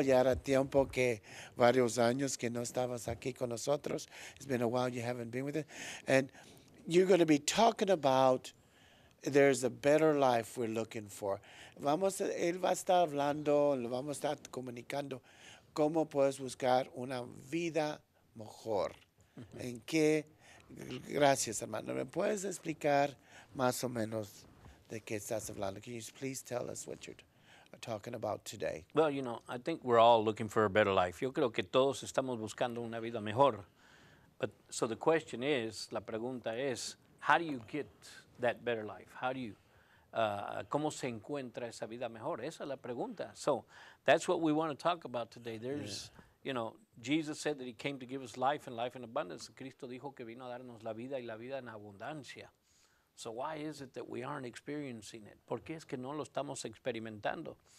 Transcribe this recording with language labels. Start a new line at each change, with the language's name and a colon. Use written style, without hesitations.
Spanish: Ya era tiempo que varios años que no estabas aquí con nosotros.
English: It's been a while you haven't been with us. And you're going to be talking about there's a better life we're looking for.
Spanish: Él va a estar hablando, lo vamos a estar comunicando. ¿Cómo puedes buscar una vida mejor? ¿En qué? Gracias, hermano. ¿Me puedes explicar más o menos de qué estás hablando?
English: Can you please tell us what you're talking about today? Well, you know, I think we're all looking for a better life.
Spanish: Yo creo que todos estamos buscando una vida mejor.
English: But so the question is,
Spanish: la pregunta es,
English: how do you get that better life? How do you,
Spanish: ¿cómo se encuentra esa vida mejor? Esa es la pregunta.
English: So that's what we want to talk about today. There's, you know, Jesus said that he came to give us life and life in abundance.
Spanish: Cristo dijo que vino a darnos la vida y la vida en abundancia.
English: So why is it that we aren't experiencing it?
Spanish: ¿Por qué es que no lo estamos experimentando?